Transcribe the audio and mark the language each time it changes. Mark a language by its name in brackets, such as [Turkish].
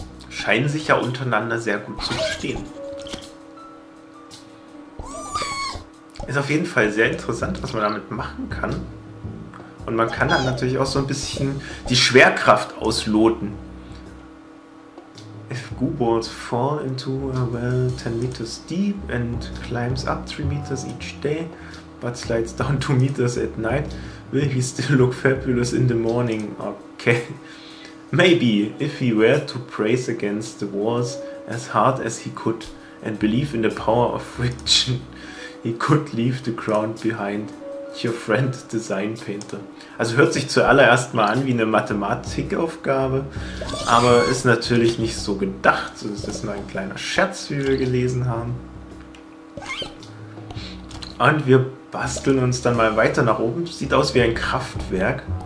[German] Scheinen sich ja untereinander sehr gut zu verstehen. Ist auf jeden Fall sehr interessant, was man damit machen kann. Und man kann dann natürlich auch so ein bisschen die Schwerkraft ausloten. [English] If Gooballs fall into a well 10 meters deep and climbs up 3 meters each day, but slides down 2 meters at night, will he still look fabulous in the morning? Okay. Maybe, if he were to brace against the walls as hard as he could and believe in the power of friction, he could leave the ground behind. Your friend, Design Painter. [German] Also hört sich zuallererst mal an wie eine Mathematikaufgabe, aber ist natürlich nicht so gedacht. Es ist nur ein kleiner Scherz, wie wir gelesen haben. Und wir basteln uns dann mal weiter nach oben. Sieht aus wie ein Kraftwerk.